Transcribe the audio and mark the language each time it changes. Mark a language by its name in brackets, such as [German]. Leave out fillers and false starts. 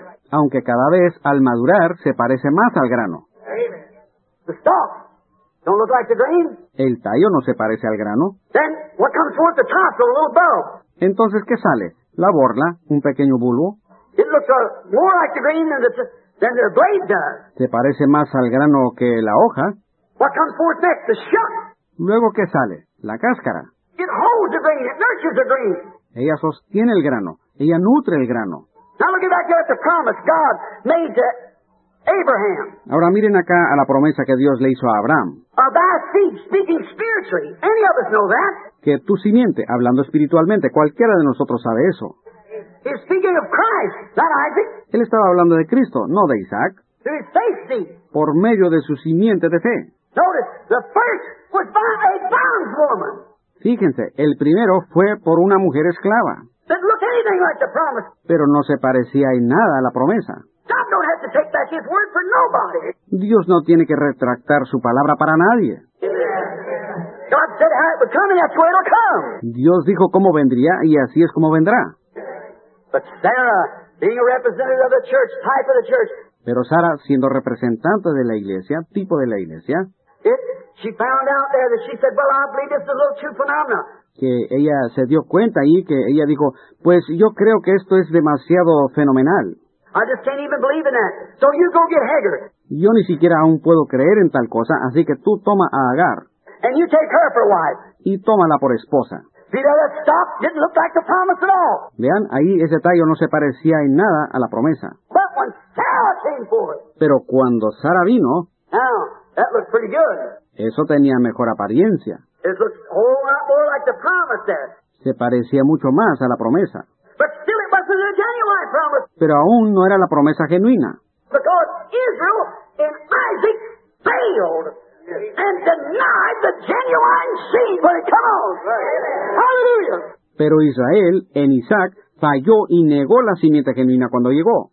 [Spanish] Aunque cada vez, al madurar, se parece más al grano. [English] The stalk don't look like the grain. [Spanish] El tallo no se parece al grano. [English] Then, what comes forth, the tassel, a little bulb. [Spanish] Entonces, ¿qué sale? La borla, un pequeño bulbo. [English] It looks more like the grain than the blade does. [Spanish] Se parece más al grano que la hoja. [English] What comes forth next, the shuck. [Spanish] Luego, ¿qué sale? La cáscara. [English] It holds the grain, it nurtures the grain. [Spanish] Ella sostiene el grano. Ella nutre el grano. [English] Now look back at the promise God made to Abraham. [Spanish] Ahora miren acá a la promesa que Dios le hizo a Abraham. [English] Any of us know that. [Spanish] Que tu simiente, hablando espiritualmente, cualquiera de nosotros sabe eso. [English] He's speaking of Christ, not Isaac. [Spanish] Él estaba hablando de Cristo, no de Isaac. [English] Through his faith seed. [Spanish] Por medio de su simiente de fe. [English] Notice, the first was by a bondwoman. [Spanish] Fíjense, el primero fue por una mujer esclava. [English] Didn't look anything like the promise. [Spanish] Pero no se parecía en nada a la promesa. [English] God don't have to take back his word for nobody. [Spanish] Dios no tiene que retractar su palabra para nadie. [English] God said how it would come, and that's where it'll come. [Spanish] Dios dijo cómo vendría, y así es como vendrá. [English] But Sarah, being a representative of the church, type of the church. [Spanish] Pero Sara, siendo representante de la iglesia, tipo de la iglesia. [English] She found out there that she said, well, I believe it's a little too phenomenal. [Spanish] Que ella se dio cuenta ahí, que ella dijo, pues yo creo que esto es demasiado fenomenal. [English] I just can't even believe in that. So you go get Hagar. [Spanish] Yo ni siquiera aún puedo creer en tal cosa, así que tú toma a Agar. [English] And you take her for wife. [Spanish] Y tómala por esposa. [English] See, that stock didn't look like the promise at all. [Spanish] Vean, ahí ese tallo no se parecía en nada a la promesa. [English] But when Sarah came for it. [Spanish] Pero cuando Sara vino, [English] now, that looked pretty good. [Spanish] Eso tenía mejor apariencia. [English] It looks a whole lot more like the promise there. [Spanish] Se parecía mucho más a la promesa. [English] But still it wasn't a genuine promise. [Spanish] Pero aún no era la promesa genuina. [English] Because Israel and Isaac failed and denied the genuine seed when it comes. Right. Hallelujah. [Spanish] Pero Israel en Isaac falló y negó la simiente genuina cuando llegó.